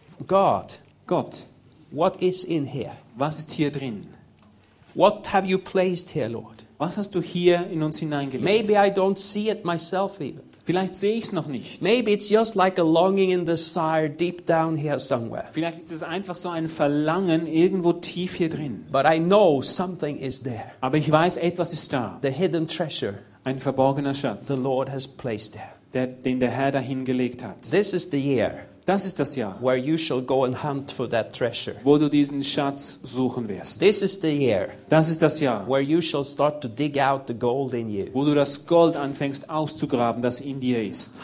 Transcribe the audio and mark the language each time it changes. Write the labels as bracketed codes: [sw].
[en] God. [de] Gott. [en] What is in here? [de] Was ist hier drin? [en] What have you placed here, Lord? [de] Was hast du hier in uns hineingelegt? [en] Maybe I don't see it myself even. [de] Vielleicht sehe ich es noch nicht. [en] Maybe it's just like a longing and desire deep down here somewhere. [de] Vielleicht ist es einfach so ein Verlangen irgendwo tief hier drin. [en] But I know something is there. [de] Aber ich weiß, etwas ist da. [en] The hidden treasure. [de] Ein verborgener Schatz. [en] The Lord has placed there. [de] Den der Herr dahin gelegt hat. [en] This is the year. [de] Das ist das Jahr. [en] Where you shall go and hunt for that treasure. [de] Wo du diesen Schatz suchen wirst. [en] This is the year. [de] Das ist das Jahr. [en] Where you shall start to dig out the gold in you. [de] Wo du das Gold anfängst auszugraben, das in dir ist.